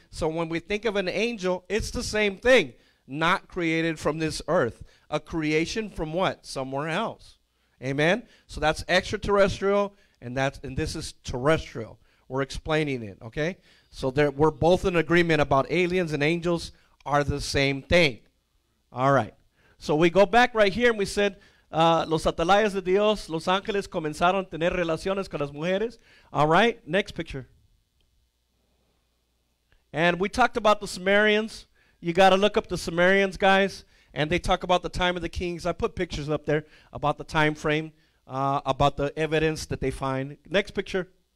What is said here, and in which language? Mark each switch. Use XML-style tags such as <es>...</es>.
<en>So when we think of an angel, it's the same thing. Not created from this earth. A creation from what? Somewhere else. Amen? So that's extraterrestrial, and this is terrestrial. We're explaining it, okay? So we're both in agreement about aliens and angels are the same thing. All right. So we go back right here, and we said,</en> <es>los atalayas de Dios, los ángeles, comenzaron a tener relaciones con las mujeres.</es> <en>All right, next picture. And we talked about the Sumerians. You got to look up the Sumerians, guys. And they talk about the time of the kings. I put pictures up there about the time frame, about the evidence that they find. Next picture.</en>